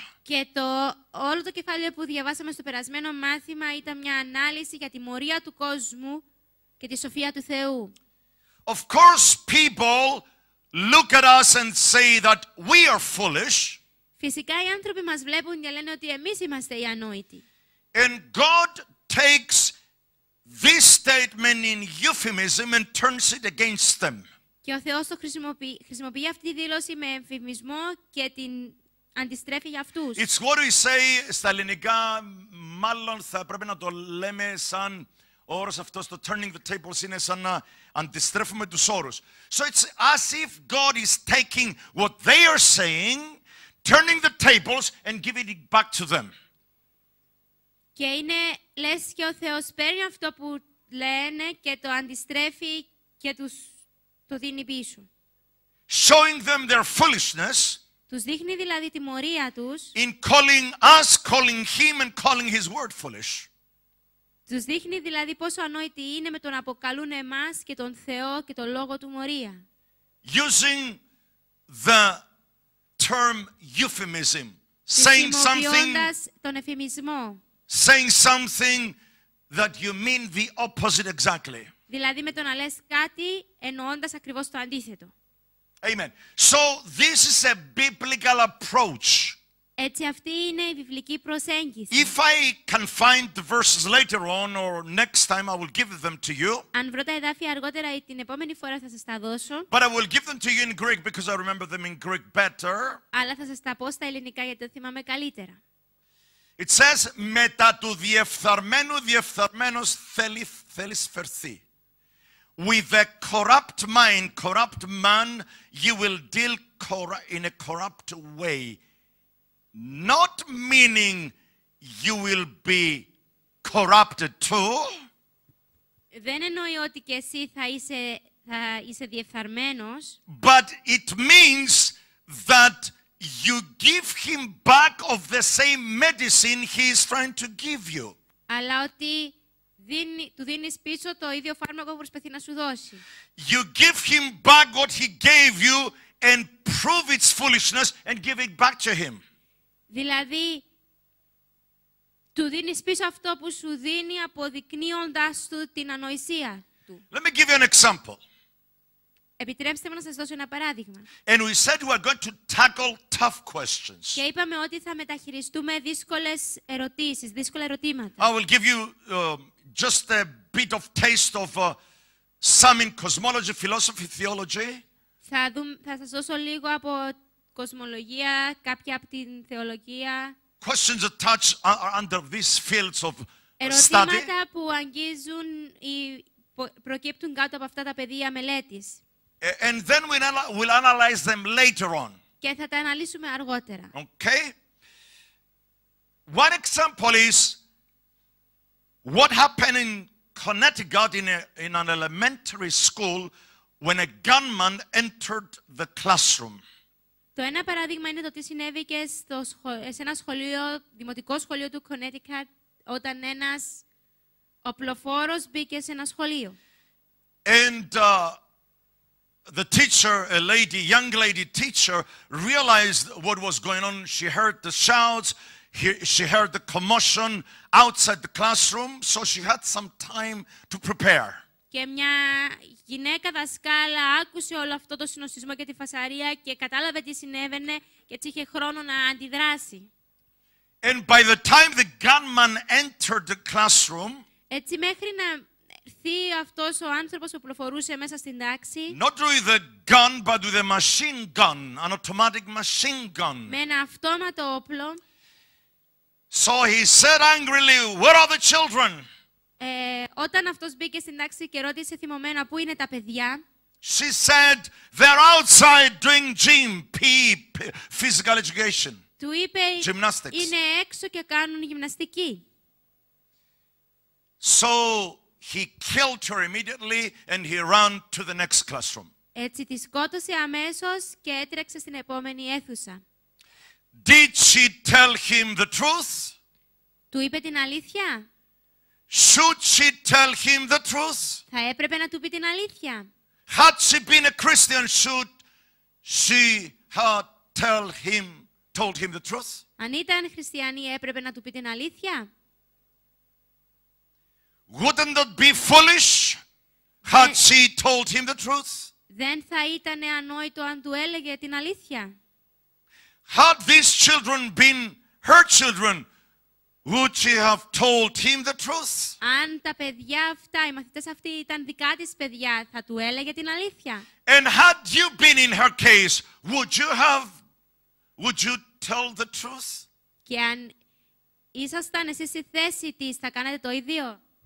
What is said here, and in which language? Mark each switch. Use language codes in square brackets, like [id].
[el] Και το όλο το κεφάλαιο που διαβάσαμε στο περασμένο μάθημα ήταν μια ανάλυση για τη μορία του κόσμου και τη σοφία του Θεού. [en] Of course, people look at us and say that we are foolish. [el] Φυσικά οι άνθρωποι μας βλέπουν και λένε ότι εμείς είμαστε οι ανόητοι. [en] And God takes this statement in euphemism and turns it against them. [el] Και ο Θεός το χρησιμοποιεί αυτή τη δήλωση με εμφημισμό και την αντιστρέφει για αυτούς. [en] It's what we say [el] στα ελληνικά, μάλλον θα πρέπει να το λέμε σαν ο όρος αυτός, το [en] turning the tables, [el] είναι σαν να αντιστρέφουμε τους όρους. [en] So it's as if God is taking what they are saying, turning the tables and giving it back to them. [el] Και είναι, λες και ο Θεός παίρνει αυτό που λένε και το αντιστρέφει και τους το δίνει πίσω. [en] Showing them their foolishness. [el] Τους δείχνει δηλαδή τη μορία τους. [en] In calling us, calling him and calling his word foolish. [el] Τους δείχνει δηλαδή πόσο ανόητοι είναι με τον αποκαλούν εμάς και τον Θεό και τον λόγο του μορία. [en] Using the term euphemism, saying something. [el] Τον εφημισμό. [en] Saying something that you mean the opposite exactly. [el] Δηλαδή με το να λες κάτι εννοώντας ακριβώς το αντίθετο. [en] Amen. So this is a biblical approach. [el] Έτσι αυτή είναι η βιβλική προσέγγιση. [en] If I can find the verses later on or next time I will give them to you. [el] Αν βρω τα εδάφια αργότερα ή την επόμενη φορά θα σας τα δώσω. [en] But I will give them to you in Greek because I remember them in Greek better. [el] Αλλά θα σας τα πω στα ελληνικά γιατί το θυμάμαι καλύτερα. [en] It says, [el] μετά του διεφθαρμένου διεφθαρμένος θέλει σφερθεί. [en] With a corrupt mind, corrupt man, you will deal in a corrupt way. Not meaning you will be corrupted too. [el] Δεν εννοεί ότι και εσύ θα είσαι διεφθαρμένος. [en] But it means that you give him back of the same medicine he is trying to give you. [el] Αλλά ότι του δίνεις πίσω το ίδιο φάρμακο που προσπαθεί να σου δώσει. [en] You give him back what he gave you and prove its foolishness and give it back to him. [el] Δηλαδή, του δίνεις πίσω αυτό που σου δίνει αποδεικνύοντας του την ανοησία του. [en] Let me give you an example. [el] Επιτρέψτε μου να σας δώσω ένα παράδειγμα. [en] And we said we are going to tackle tough questions. [el] Και είπαμε ότι θα μεταχειριστούμε δύσκολες ερωτήσεις, δύσκολα ερωτήματα. [en] I will give you just a bit of taste of some in cosmology, philosophy, theology. [el] Θα σας δώσω λίγο από κοσμολογία, κάποια από την θεολογία. [en] Questions that touch are under these fields of [el] ερωτήματα [en] study. [el] Ερωτήματα που αγγίζουν ή προκύπτουν κάτω από αυτά τα πεδία μελέτης. [en] And then we'll analyze them later on. [el] Και θα τα αναλύσουμε αργότερα. [en] Okay. One example is what happened in Connecticut in an elementary school when a gunman entered the classroom. [el] Το ένα παράδειγμα είναι το τι συνέβη και σε ένα σχολείο, δημοτικό σχολείο του Connecticut, όταν ένας οπλοφόρος μπήκε σε ένα σχολείο. [en] And the teacher, a lady, young lady teacher, realized what was going on. She heard the shouts, she heard the commotion outside the classroom, so she had some time to prepare. [el] Και μια γυναίκα δασκάλα άκουσε όλο αυτό το συνωστισμό και τη φασαρία και κατάλαβε τι συνέβαινε και έτσι είχε χρόνο να αντιδράσει. [en] And by the time the gunman entered the classroom, [el] έτσι μέχρι να έρθει αυτός ο άνθρωπος που πλοφορούσε μέσα στην τάξη. [en] Not with a gun, but with a machine gun, an automatic machine gun. [el] Με ένα αυτόματο όπλο. [en] So he said angrily, "Where are the children?" [el] Όταν αυτός μπήκε στην τάξη και ρώτησε θυμωμένα, "Πού είναι τα παιδιά?" [en] She said, "They're outside doing gym, PE, physical education." [el] Του είπε, "Gymnastics. Είναι έξω και κάνουν γυμναστική." [en] So he killed her immediately and he ran to the next classroom. [el] Έτσι τη σκότωσε αμέσως και έτρεξε στην επόμενη αίθουσα. [en] Did she tell him the truth? [el] Του είπε την αλήθεια? [en] Should she tell him the truth? [el] Θα έπρεπε να του πει την αλήθεια? [en] Had she been a Christian, should She had told him the truth. [el] Αν ήταν χριστιανή, έπρεπε να του πει την αλήθεια. [en] Wouldn't that be foolish had she told him the truth? [el] Δεν θα ήταν ανόητο αν του έλεγε την αλήθεια. [en] Had these children been her children, would she have told him the truth? [el] Αν τα παιδιά αυτά, οι μαθητές αυτοί ήταν δικά της παιδιά, θα του έλεγε την αλήθεια. [en] And had you been in her case, would you tell the truth? [el] Και αν ήσασταν εσείς στη θέση της, θα κάνατε το ίδιο?